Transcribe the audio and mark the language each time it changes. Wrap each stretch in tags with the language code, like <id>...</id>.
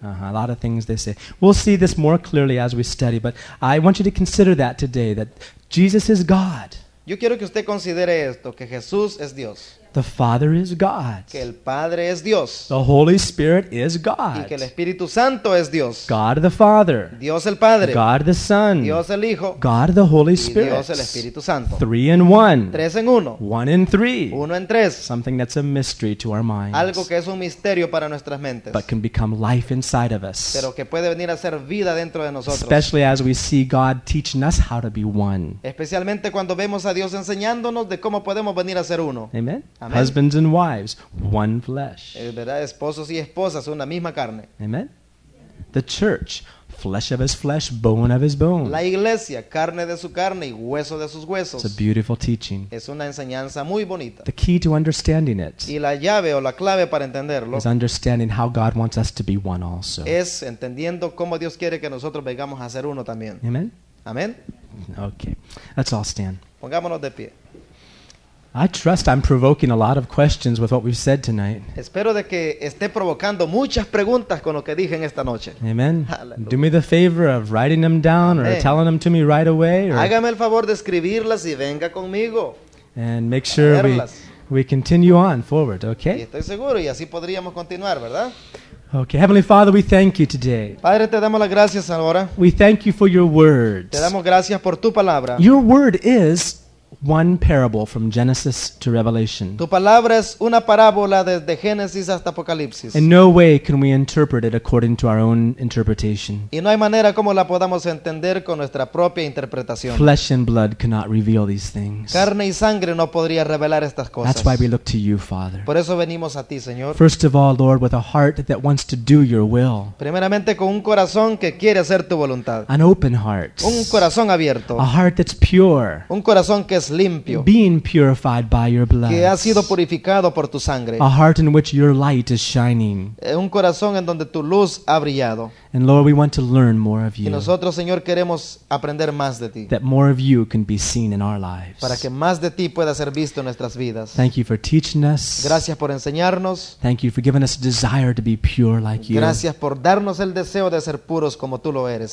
<en>Uh-huh, a lot of things they say. We'll see this more clearly as we study, but I want you to consider that today, that Jesus is God.</en> <es>Yo quiero que usted considere esto, que Jesús es Dios.</es> <en>The Father is God.</en> <es>Que el Padre es Dios.</es> <en>The Holy Spirit is God.</en> <es>Y que el Espíritu Santo es Dios.</es> <en>God the Father.</en> <es>Dios el Padre.</es> <en>God the Son.</en> <es>Dios el Hijo.</es> <en>God the Holy Spirit.</en> <es>Y Dios el Espíritu Santo.</es> <en>Three in one.</en> <es>Tres en uno.</es> <en>One in three.</en> <es>Uno en tres.</es> <en>Something that's a mystery to our minds.</en> <es>Algo que es un misterio para nuestras mentes.</es> <en>But can become life inside of us.</en> <es>Pero que puede venir a ser vida dentro de nosotros.</es> <en>Especially as we see God teaching us how to be one.</en> <es>Especialmente cuando vemos a Dios enseñándonos de cómo podemos venir a ser uno.</es> <en>Amen. Husbands and wives, one flesh.</en> <es>Es verdad, esposos y esposas, una misma carne.</es> <en>Amen. The church, flesh of his flesh, bone of his bone.</en> <es>La iglesia, carne de su carne y hueso de sus huesos.</es> <en>It's a beautiful teaching.</en> <es>Es una enseñanza muy bonita.</es> <en>The key to understanding it.</en> <es>Y la llave o la clave para entenderlo.</es> <en>Is understanding how God wants us to be one also.</en> <es>Es entendiendo cómo Dios quiere que nosotros vengamos a ser uno también.</es> <en>Amen. Amen. Okay. Let's all stand.</en> <es>Pongámonos de pie.</es> <en>I trust I'm provoking a lot of questions with what we've said tonight.</en> <es>Espero de que esté provocando muchas preguntas con lo que dije en esta noche.</es> <en>Amen. Hallelujah. Do me the favor of writing them down or telling them to me right away. Or</en> <es>hágame el favor de escribirlas y venga conmigo.</es> <en>And make sure we continue on forward, okay?</en> <es>Y estoy seguro y así podríamos continuar, ¿verdad?</es> <en>Okay, Heavenly Father, we thank you today.</en> <es>Padre, te damos las gracias ahora.</es> <en>We thank you for your word.</en> <es>Te damos gracias por tu palabra.</es> <en>Your word is one parable from Genesis to Revelation.</en> <es>Tu palabra es una parábola desde Génesis hasta Apocalipsis.</es> <en>In no way can we interpret it according to our own interpretation.</en> <es>Y no hay manera como la podamos entender con nuestra propia interpretación.</es> <en>Flesh and blood cannot reveal these things.</en> <es>Carne y sangre no podría revelar estas cosas.</es> <en>That's why we look to you, Father.</en> <es>Por eso venimos a ti, Señor.</es> <en>First of all, Lord, with a heart that wants to do your will.</en> <es>Primeramente con un corazón que quiere hacer tu voluntad.</es> <en>An open heart.</en> <es>Un corazón abierto.</es> <en>A heart that's pure.</en> <es>Un corazón que limpio,</es> <en>being purified by your blood,</en> <es>que ha sido purificado por tu sangre,</es> <en>a heart in which your light is shining,</en> <es>un corazón en donde tu luz ha brillado.</es> <en>And Lord, we want to learn more of you.</en> <es>Y nosotros, Señor, queremos aprender más de ti.</es> <en>That more of you can be seen in our lives.</en> <es>Para que más de ti pueda ser visto en nuestras vidas.</es> <en>Thank you for teaching us.</en> <es>Gracias por enseñarnos.</es> <en>Thank you for giving us a desire to be pure like you.</en> <es>Gracias por darnos el deseo de ser puros como tú lo eres.</es>